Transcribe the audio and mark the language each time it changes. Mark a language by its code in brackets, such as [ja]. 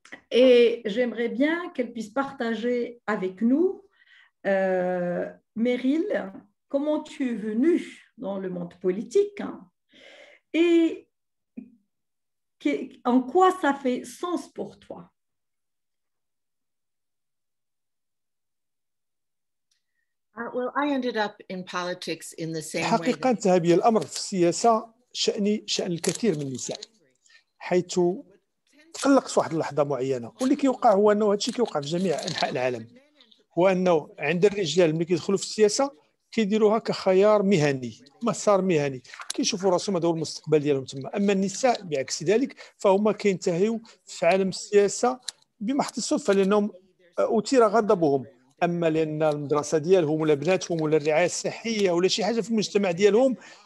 [fr] Et j'aimerais bien qu'elle puisse partager avec nous, Merrill, comment tu es venue dans le monde politique et en quoi ça fait sens pour toi. [en] Well, I ended up in politics in the same حقيقة way. [ar] انتهى بي الأمر في السياسة شأني شأن الكثير من النساء حيث تقلقت في واحد اللحظة معينة واللي كيوقع هو أنه هادشي كيوقع في جميع أنحاء العالم هو أنه عند الرجال ملي كيدخلوا في السياسة كيديروها كخيار مهني مسار مهني كيشوفوا راسهم هذا هو المستقبل ديالهم تما أما النساء بعكس ذلك فهما كينتهيوا في عالم السياسة بمحض الصدفة لأنهم أثير غضبهم اما لان المدرسه ديالهم ولا بناتهم ولا الرعايه الصحيه ولا شي حاجه في المجتمع ديالهم